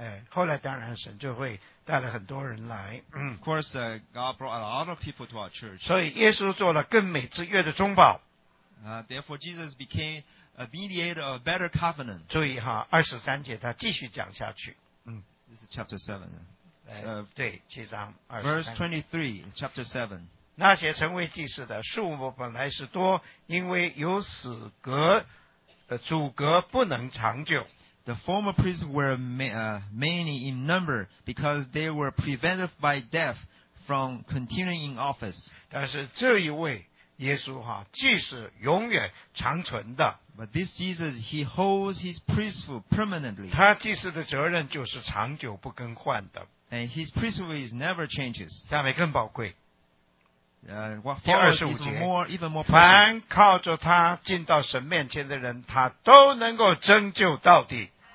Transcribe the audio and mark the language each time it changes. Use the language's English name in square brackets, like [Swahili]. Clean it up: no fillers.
[Chinese] 后来当然神就会带了很多人来。 [English] Of course, God brought a lot of people to our church. [Chinese] 所以耶稣做了更美之约的中保。 [English] Therefore, Jesus became a mediator of a better covenant. [Chinese] 注意哈，二十三节他继续讲下去。 [English] This is chapter 7. [Chinese] 对，七章二十三。 [English] Verse 23, chapter 7. [Chinese] 那些成为祭司的数目本来是多，因为有死隔阻隔不能长久。 [English] The former priests were many in number because they were prevented by death from continuing in office. [Chinese] 但是这一位耶稣哈，祭司永远长存的。 [English] But this Jesus, he holds his priesthood permanently. [Chinese] 他祭司的责任就是长久不更换的。 [English] And his priesthood is never changes. [Chinese] 下面更宝贵。第二十五节，凡靠着他进到神面前的人，他都能够拯救到底。